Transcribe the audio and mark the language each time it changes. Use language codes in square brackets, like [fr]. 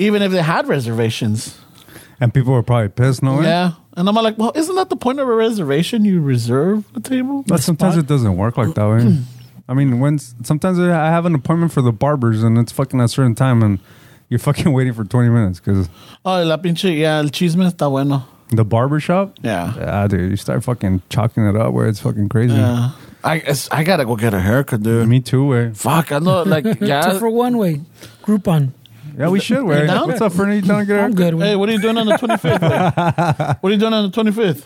[en] Even if they had reservations. And people were probably pissed, no way? Yeah. And I'm like, well, isn't that the point of a reservation? You reserve a table? But sometimes spot? It doesn't work like that, right? I mean, sometimes I have an appointment for the barbers and it's fucking a certain time and you're fucking waiting for 20 minutes because... [es] Oh, la pinche, yeah, el chisme está bueno. [en] The barber shop? Yeah. Yeah, dude, you start fucking chalking it up where it's fucking crazy. Yeah. I gotta go get a haircut, dude. Me too, way. Fuck, I know, like, yeah. Two for one, way. Groupon. Yeah, we should, way. What's up, Fernie? You done get a haircut? I'm good, way. Hey, what are you doing on the 25th, way? What are you doing on the 25th?